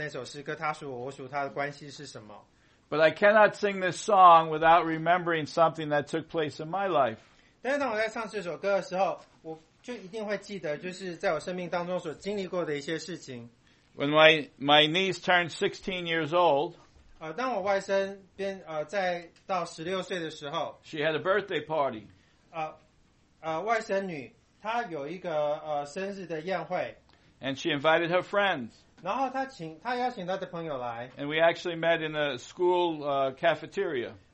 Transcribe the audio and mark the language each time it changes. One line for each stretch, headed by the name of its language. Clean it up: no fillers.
Chinese: 所以Martha姐妹刚才就分享，就是说她的生命跟刚才我们所唱的那首诗歌，她属我，我属他的关系是什么？
English: But I cannot sing this song without remembering something that took place in my life.
Chinese: 但是当我在唱这首歌的时候，我就一定会记得，就是在我生命当中所经历过的一些事情。
English: When my niece turned 16 years old,
Chinese: 当我外甥在到16岁的时候,
English: she had a birthday party.
Chinese: 外甥女她有一个生日的宴会,
English: and she invited her friends.
Chinese: 然后她邀请她的朋友来,
English: and we actually met in a school cafeteria.